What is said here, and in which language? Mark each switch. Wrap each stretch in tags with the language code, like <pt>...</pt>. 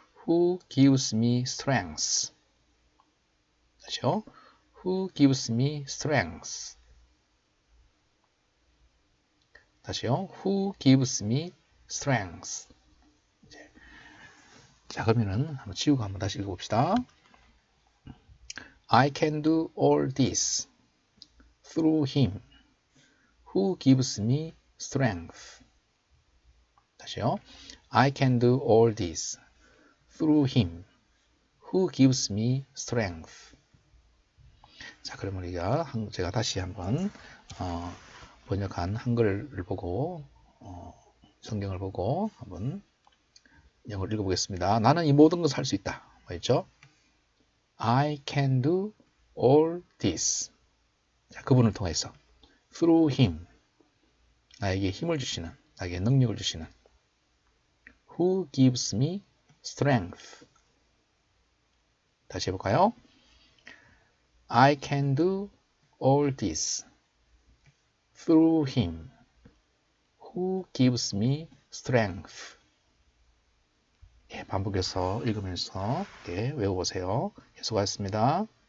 <en>Who gives me strength?</en> <ko>그렇죠?</ko> <en>Who gives me strength?</en> <ko>다시요.</ko> <en>Who gives me strength?</en> <ko>자, 그러면은 한번 지우고 한번 다시 읽어봅시다.</ko> <en>I can do all this through him who gives me strength.</en> <ko>다시요.</ko> <en>I can do all this through him who gives me strength.</en> <ko>자, 그러면 우리가 제가 다시 한번 번역한 한글을 보고 성경을 보고 한번 영어를 읽어보겠습니다. 나는 이 모든 것을 할수 있다. 맞죠?</ko> <en>I can do all this.</en> <ko>자, 그분을 통해서</ko> <en>through him</en> <ko>나에게 힘을 주시는 나에게 능력을 주시는</ko> <en>who gives me strength.</en> <ko>다시 해볼까요?</ko> <en>I can do all this. Through him, who gives me strength.</en> <ko>예, 반복해서 읽으면서 예, 외워보세요. 계속하겠습니다.</ko>